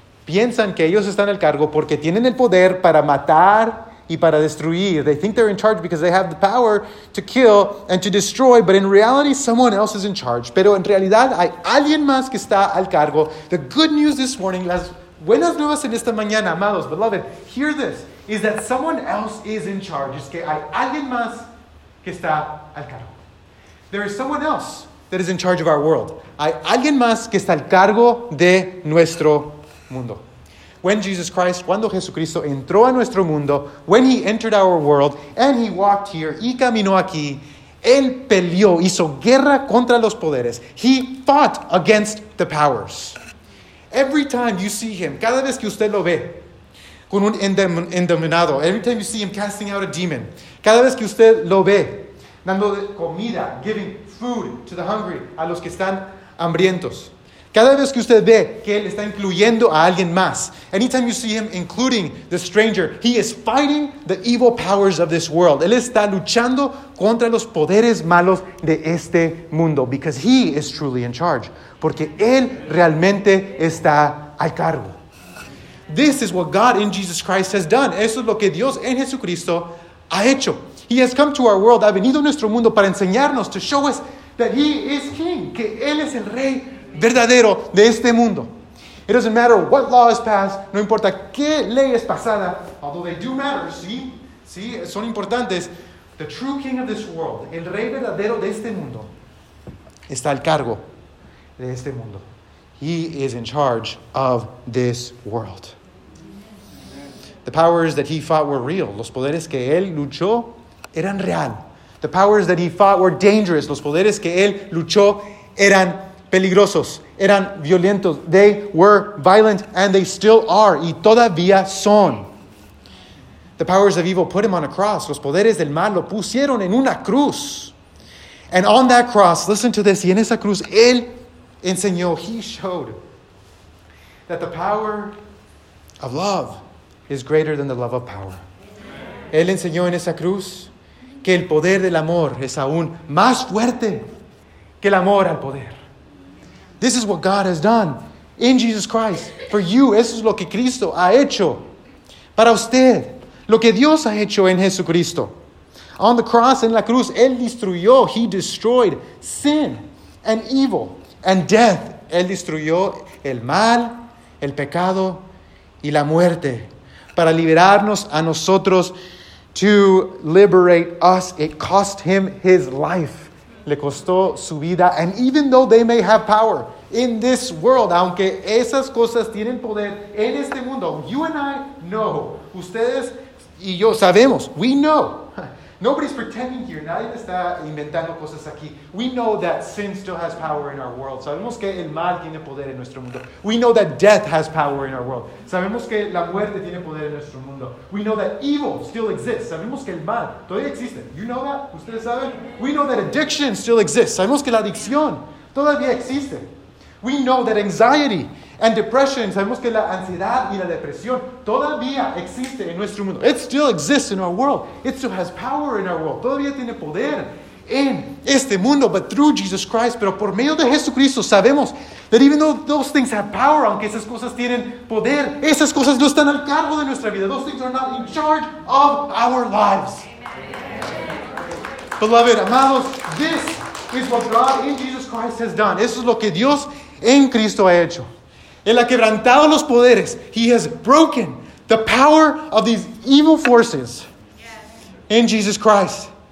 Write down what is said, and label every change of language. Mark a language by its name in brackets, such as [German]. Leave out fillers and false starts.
[Spanish] Piensan que ellos están al cargo porque tienen el poder para matar y para destruir. [English] They think they're in charge because they have the power to kill and to destroy. But in reality, someone else is in charge. [Spanish] Pero en realidad, hay alguien más que está al cargo. [English] The good news this morning, [Spanish] las buenas nuevas en esta mañana, amados, [English] beloved, hear this, is that someone else is in charge. [Spanish] Es que hay alguien más que está al cargo. [English] There is someone else that is in charge of our world. [Spanish] Hay alguien más que está al cargo de nuestro mundo. [English] When Jesus Christ, [Spanish] cuando Jesucristo entró a nuestro mundo, [English] when he entered our world, and he walked here, [Spanish] y caminó aquí, él peleó, hizo guerra contra los poderes. [English] He fought against the powers. Every time you see him, [Spanish] cada vez que usted lo ve, con un endemoniado, [English] every time you see him casting out a demon, [Spanish] cada vez que usted lo ve, dando comida, [English] giving food to the hungry, [Spanish] a los que están hambrientos. Cada vez que usted ve que él está incluyendo a alguien más, [English] anytime you see him including the stranger, he is fighting the evil powers of this world. [Spanish] Él está luchando contra los poderes malos de este mundo, [English] because he is truly in charge. [Spanish] Porque él realmente está al cargo. [English] This is what God in Jesus Christ has done. [Spanish] Eso es lo que Dios en Jesucristo ha hecho. [English] He has come to our world, [Spanish] ha venido a nuestro mundo para enseñarnos, [English] to show us that he is king, [Spanish] que él es el rey verdadero de este mundo. [English] It doesn't matter what law is passed, [Spanish] no importa qué ley es pasada, [English] although they do matter, [Spanish] sí, son importantes. [English] The true king of this world, [Spanish] el rey verdadero de este mundo, está al cargo de este mundo. [English] He is in charge of this world. The powers that he fought were real. [Spanish] Los poderes que él luchó eran real. [English] The powers that he fought were dangerous. [Spanish] Los poderes que él luchó eran peligrosos, eran violentos. [English] They were violent and they still are. [Spanish] Y todavía son. [English] The powers of evil put him on a cross. [Spanish] Los poderes del mal lo pusieron en una cruz. [English] And on that cross, listen to this. [Spanish] Y en esa cruz, él enseñó, [English] he showed that the power of love is greater than the love of power. [Spanish] Él enseñó en esa cruz que el poder del amor es aún más fuerte que el amor al poder. [English] This is what God has done in Jesus Christ for you. [Spanish] Eso es lo que Cristo ha hecho para usted. Lo que Dios ha hecho en Jesucristo. [English] On the cross, [Spanish] en la cruz, Él destruyó, [English] he destroyed sin and evil and death. [Spanish] Él destruyó el mal, el pecado y la muerte para liberarnos a nosotros. [English] To liberate us, it cost him his life. [Spanish] Le costó su vida. [English] And even though they may have power in this world, [Spanish] aunque esas cosas tienen poder en este mundo, [English] you and I know, [Spanish] ustedes y yo sabemos, [English] we know Nobody's pretending here. [Spanish] Nadie está inventando cosas aquí. [English] We know that sin still has power in our world. [Spanish] Sabemos que el mal tiene poder en nuestro mundo. [English] We know that death has power in our world. [Spanish] Sabemos que la muerte tiene poder en nuestro mundo. [English] We know that evil still exists. [Spanish] Sabemos que el mal todavía existe. [English] You know that? [Spanish] ¿Ustedes saben? [English] We know that addiction still exists. [Spanish] Sabemos que la adicción todavía existe. [English] We know that anxiety and depression, [Spanish] sabemos que la ansiedad y la depresión todavía existe en nuestro mundo. [English] It still exists in our world. [Spanish] It still has power in our world. Todavía tiene poder en este mundo, [English] but through Jesus Christ, [Spanish] pero por medio de Jesucristo, sabemos [English] that even though those things have power, [Spanish] aunque esas cosas tienen poder, esas cosas no están al cargo de nuestra vida. [English] Those things are not in charge of our lives. Amen. Beloved, amados, this is what God in Jesus Christ has done. [Spanish] Eso es lo que Dios en Cristo ha hecho. Él ha quebrantado los poderes. [English] He has broken the power of these evil forces in Jesus Christ.